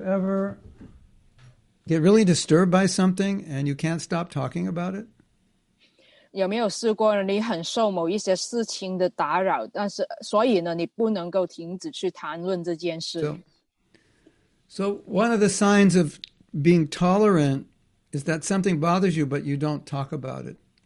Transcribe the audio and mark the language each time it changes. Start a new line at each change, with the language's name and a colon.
English: ever get really disturbed by something and you can't stop talking about it?
Chinese: 有没有试过你很受某一些事情的打扰，但是所以呢，你不能够停止去谈论这件事。
English: So one of the signs of being tolerant is that something bothers you, but you don't talk about it.